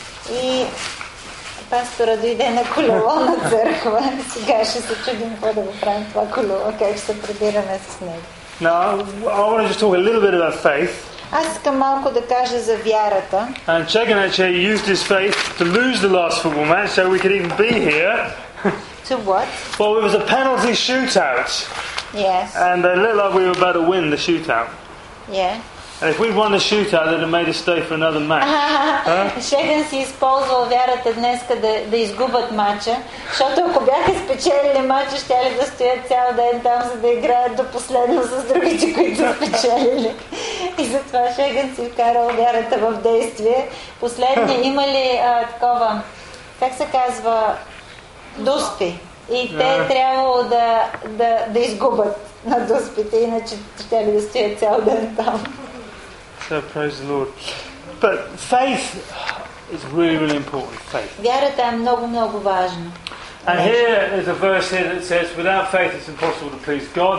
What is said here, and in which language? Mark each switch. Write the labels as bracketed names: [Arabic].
[Bulgarian] И пастора дойде на колело на църква. Сега ще се чудим какво да го правим това колело, как ще се прибираме с него. [English] Now, I want to just talk a little bit about faith. [Bulgarian] Аз искам малко да кажа за вярата. [English] And Chegan actually used his faith to lose the last football match so we could even be here. To what? Well, it was a penalty shootout. Yes. And it looked like we were about to win the shootout. Yeah. And if we'd won the shootout, they'd have made us stay for another match. [Bulgarian] Шеган си използвал вярата днеска да изгубят матча, защото ако бяха спечелили матча, щяли да стоят цял ден там, за да играят до последно с другите, които спечелили. И затова Шеган си вкарал вярата в действие. Последния има ли такова, как се казва, дуспи? И те трябвало да изгубят на дуспите, иначе щяли да стоят цял ден там. [English] So praise the Lord. But faith is really, really important. Faith. [Bulgarian] Вярата е много, много важна. [English] And here is a verse here that says, without faith it's impossible to please God.